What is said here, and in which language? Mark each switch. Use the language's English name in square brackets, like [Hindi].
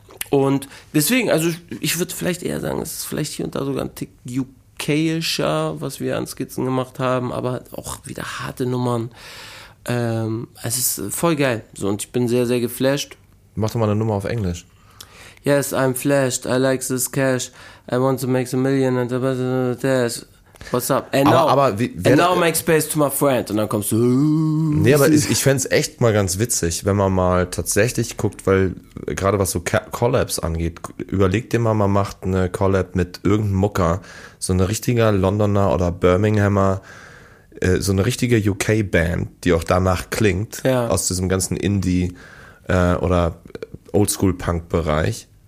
[German] Und deswegen, also ich würde vielleicht eher sagen, es ist vielleicht hier und da sogar ein Tick UK-ischer, was wir an Skizzen gemacht haben, aber auch wieder harte Nummern. Es ist voll geil. So, und ich bin sehr, sehr geflasht. Mach doch mal eine Nummer auf Englisch. [English] Yes, I'm flashed. I like this cash. I want to make a million and there's. What's up? And now make space to my friend. [German] Und dann kommst du. Nee, aber ich fände es echt mal ganz witzig, wenn man mal tatsächlich guckt, weil gerade was so Collabs angeht, überleg dir mal, man macht eine Collab mit irgendeinem Mucker, so ein richtiger Londoner oder Birminghamer, so eine richtige UK-Band, die auch danach klingt, aus diesem ganzen Indie- oder Oldschool-Punk-Bereich.